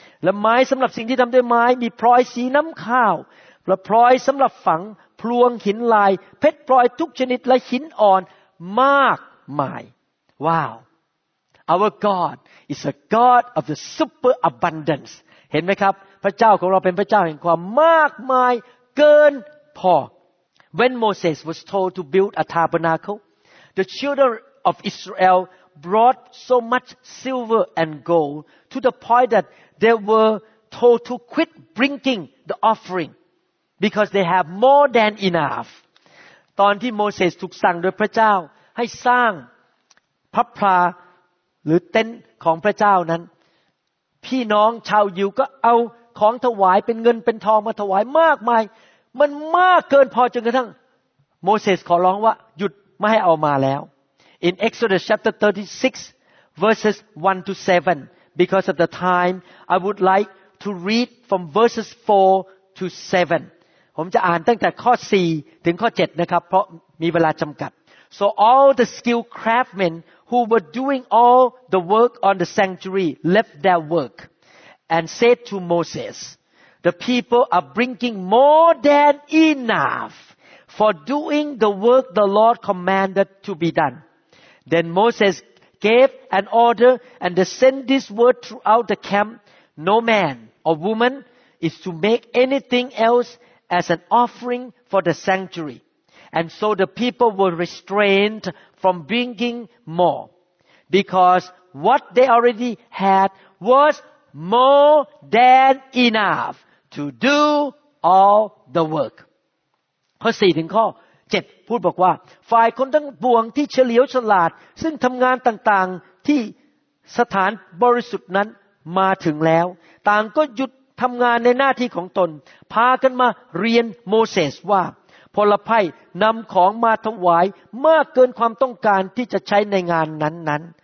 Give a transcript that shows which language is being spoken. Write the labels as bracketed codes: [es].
[th] และไม้สำหรับสิ่งที่ทำด้วยไม้มีพลอยสีน้ำข้าวและพลอยสำหรับฝังพลวงหินลายเพชรพลอยทุกชนิดและหินอ่อนมากมายว้าว [en] Our God is a God of the super abundance. [th] เห็นไหมครับพระเจ้าของเราเป็นพระเจ้าแห่งความมากมายเกินพอ [en] When Moses was told to build a tabernacle, the children of Israel brought so much silver and gold to the point that they were told to quit bringing the offering because they have more than enough. [th] ตอนที่โมเสสถูกสั่งโดยพระเจ้าให้สร้างพระพลาหรือเต็นท์ของพระเจ้านั้นพี่น้องชาวยิวก็เอาของถวายเป็นเงินเป็นทองมาถวายมากมายมันมากเกินพอจนกระทั่ง โมเสสขอร้องว่าหยุดไม่ให้เอามาแล้ว [en] In Exodus chapter 36 verses 1 to 7 because of the time I would like to read from verses 4 to [th] 7ผมจะอ่านตั้งแต่ข้อ4ถึงข้อ7นะครับเพราะมีเวลาจำกัด [en] So all the skilled craftsmen who were doing all the work on the sanctuary left their work and said to Moses, The people are bringing more than enough for doing the work the Lord commanded to be done. Then Moses gave an order and they sent this word throughout the camp, No man or woman is to make anything elseas an offering for the sanctuary. And so the people were restrained from bringing more, because what they already had was more than enough to do all the work. [th] ข้อ4ถึงข้อ7พูดบอกว่าฝ่ายคนทั้งปวงที่เฉลียวฉลาดซึ่งทำงานต่างๆที่สถานบริสุทธิ์นั้นมาถึงแล้วต่างก็หยุดทำงานในหน้าที่ของตนพากันมาเรียนโมเสสว่าพลไพ่นำของมาถวายมากเกินความต้องการที่จะใช้ในงานนั้น